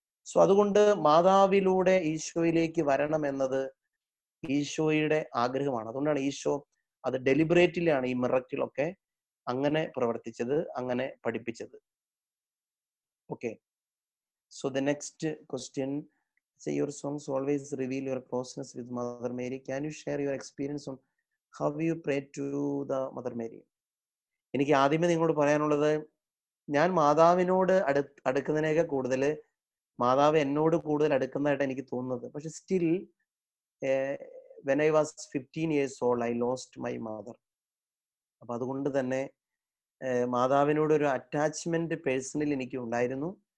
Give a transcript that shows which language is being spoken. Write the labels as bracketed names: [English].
[Malayalam] So അതുകൊണ്ട് മാതാവിലൂടെ ഈശോയിലേക്ക് വരണം എന്നത് ഈശോയുടെ ആഗ്രഹമാണ്. അതുകൊണ്ടാണ് ഈശോ അത് ഡെലിബറേറ്റിലാണ് ഈ മിറക്കിളൊക്കെ അങ്ങനെ പ്രവർത്തിച്ചത്, അങ്ങനെ പഠിപ്പിച്ചത്. [English] Okay, so the next question, say your songs always reveal your closeness with Mother Mary. Can you share your experience on how you pray to the Mother Mary? [Malayalam] എനിക്ക് ആദ്യമേ നിങ്ങളോട് പറയാനുള്ളത്, ഞാൻ മാതാവിനോട് അടുക്കുന്നതിനേക്കാൾ കൂടുതൽ മാതാവ് എന്നോട് കൂടുതൽ അടുക്കുന്നതായിട്ട് എനിക്ക് തോന്നുന്നത്. പക്ഷെ [English] Still when I was 15 years old, I lost my mother. [Malayalam] അപ്പൊ അതുകൊണ്ട് തന്നെ മാതാവിനോട് ഒരു അറ്റാച്ച്മെന്റ് പേഴ്സണൽ എനിക്ക് ഉണ്ടായിരുന്നു.